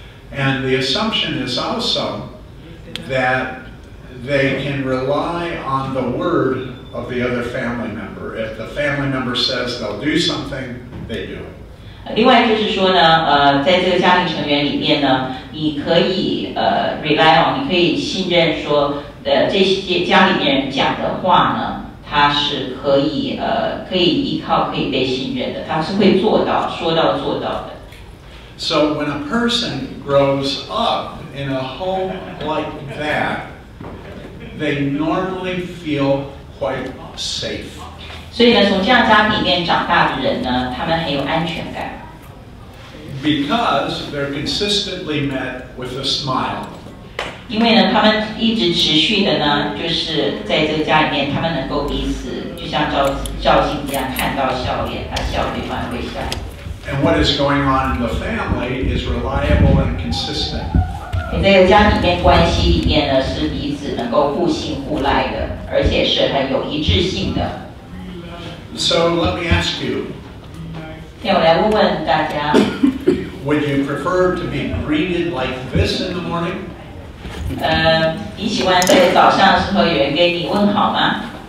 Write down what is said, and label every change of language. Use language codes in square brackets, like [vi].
[en] And the assumption is also that they can rely on the word of the other family member. If the family member says they'll do something, they do it. [zh] 另外就是说呢，在这个家庭成员里面呢，你可以 [en] rely on， [zh] 你可以信任说，这些家里面人讲的话呢，他是可以可以依靠，可以被信任的，他是会做到，说到做到的。 [en] So when a person grows up in a home like that, they normally feel quite safe. [zh] 所以呢，从这样家里面长大的人呢，他们很有安全感。 [en] Because they're consistently met with a smile. [zh] 因为呢，他们一直持续的呢，就是在这个家里面，他们能够彼此就像照镜一样看到笑脸，他笑对方会笑。 [en] And what is going on in the family is reliable and consistent. [zh] 在这个家里面关系里面呢，是彼此能够互信互赖的，而且是很有一致性的。 [en] So let me ask you. [zh] 那我来问问大家。 [en] Would you prefer to be greeted like this in the morning? [zh] 你喜欢在早上的时候有人跟你问好吗？